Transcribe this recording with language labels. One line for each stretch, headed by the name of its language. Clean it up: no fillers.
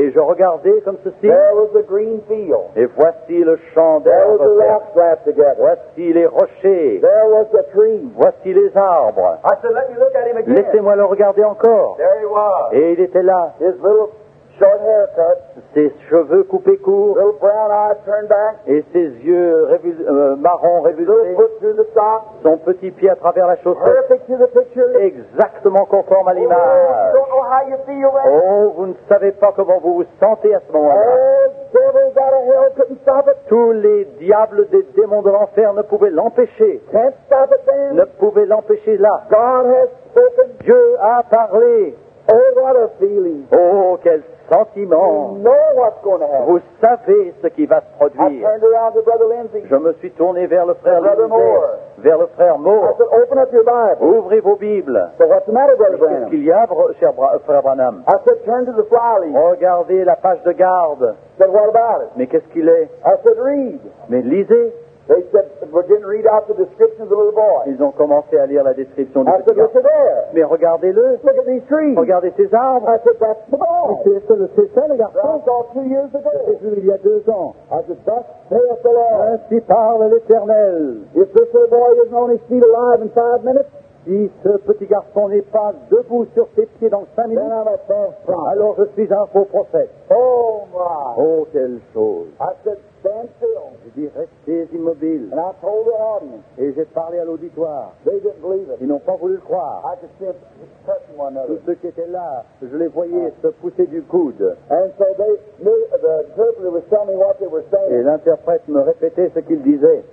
French: Et je regardais comme ceci.
English: There was a green field.
French: Et voici le champ d'herbe.
English: There was a rock slab together.
French: Voici les rochers.
English: There was a tree.
French: Voici les arbres.
English: I said, let me look at him again.
French: Laissez-moi le regarder encore.
English: There he was.
French: Et il était là.
English: His little short haircut.
French: Ses cheveux coupés courts.
English: Little brown eyes turned back.
French: Et ses yeux marrons révulsés. Son petit pied à travers la chaussette.
English: Perfect to the picture.
French: Exactement conforme à l'image.
English: Oh, you don't know how you feel, right?
French: Oh, vous ne savez pas comment vous vous sentez à ce moment-là.
English: Devils out of hell couldn't stop it.
French: Tous les diables des démons de l'enfer ne pouvaient l'empêcher.
English: Can't stop it, then.
French: Ne pouvaient l'empêcher là.
English: God has spoken.
French: Dieu a parlé.
English: Oh, what a feeling.
French: Oh, quel sentiment.
English: You know what's going to happen.
French: Vous savez ce qui va se produire.
English: I turned around to Brother Lindsay.
French: Je me suis tourné vers le frère
English: Lindsay. Brother Moore.
French: Vers le frère Moore.
English: I said, open up your Bible.
French: Ouvrez vos Bibles.
English: So what's the matter, Brother Branham?
French: Qu'est-ce qu'il y a, cher frère Branham?
English: I said, turn to the flyleaf.
French: Regardez la page de garde.
English: But what about it?
French: Mais qu'est-ce qu'il est?
English: I said, read.
French: Mais lisez.
English: They said, we're going to read out the description of the little boy.
French: Ils ont commencé à lire la description du
English: I
French: petit
English: said,
French: garçon.
English: There.
French: Mais regardez-le.
English: Look at these trees.
French: Regardez ces arbres.
English: I said, that's the boy.
French: C'est ça, le garçon.
English: That's all 2 years ago.
French: J'ai vu il y a 2 ans.
English: I said, thus saith the Lord.
French: Ainsi parle l'Éternel.
English: If this little boy isn't on his feet alive in 5 minutes,
French: si ce petit garçon n'est pas debout sur ses pieds dans 5 minutes,
English: then
French: alors je suis un faux prophète.
English: Oh, my.
French: Oh, quelle chose.
English: I said, stand still.
French: Je dis, restez immobile.
English: And I told the audience.
French: Et j'ai parlé à l'auditoire.
English: They didn't believe it.
French: Ils n'ont pas voulu le croire.
English: I just kept touching one another.
French: Tous ceux qui étaient là, je les voyais se pousser du coude.
English: And so the interpreter was telling me what they were saying.
French: Et l'interprète me répétait ce qu'il disait.